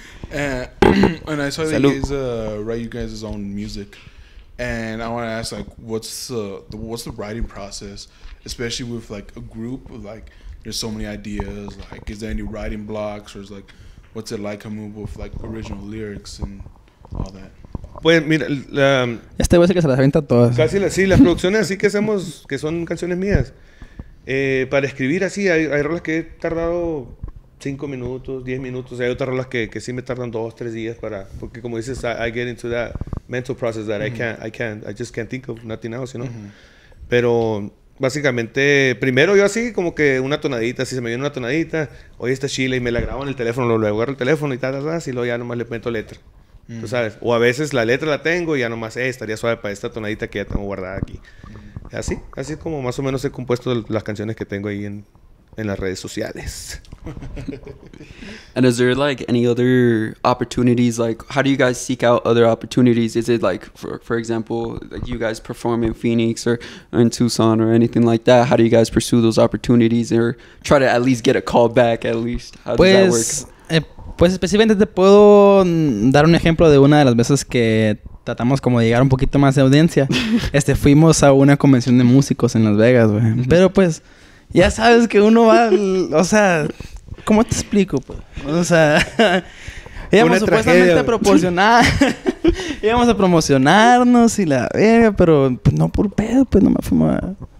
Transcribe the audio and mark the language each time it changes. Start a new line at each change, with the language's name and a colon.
English: And I saw that you guys write you guys' own music. And I want to ask, like, what's the writing process? Especially with, like, a group of, like, there's so many ideas, like, is there any writing blocks, or is, like, what's it like to move with, like, original lyrics and all that?
Spanish: Pues, mira, este güey es el que se las aventa todas. Casi, sí, las producciones así que hacemos, que son canciones mías, para escribir así, hay rolas que he tardado 5 minutos, 10 minutos, hay otras rolas que sí me tardan 2, 3 días para, porque como dices,
English: I get into that mental process that I just can't think of nothing else, you know?
Spanish: Pero básicamente, primero yo así, como que una tonadita, así se me viene una tonadita, oye, está chile, y me la grabo en el teléfono, luego agarro el teléfono y tal, así, y luego ya nomás le meto letra, tú sabes, o a veces la letra la tengo y ya nomás, estaría suave para esta tonadita que ya tengo guardada aquí, así, así es como más o menos he compuesto las canciones que tengo ahí en las redes sociales.
English: And is there like any other opportunities, like how do you guys seek out other opportunities? Is it like for example, like you guys perform in Phoenix or in Tucson or anything like that? How do you guys pursue those opportunities or try to at least get a call back at least? How does that work?
Spanish: Pues específicamente te puedo dar un ejemplo de una de las veces que tratamos como de llegar un poquito más de audiencia. fuimos a una convención de músicos en Las Vegas, güey. Pero pues ya sabes que uno va, o sea, ¿cómo te explico, pues? O sea, íbamos supuestamente tragedia, a proporcionar, íbamos a promocionarnos y la verga, pero pues, no por pedo, pues nomás fuimos a...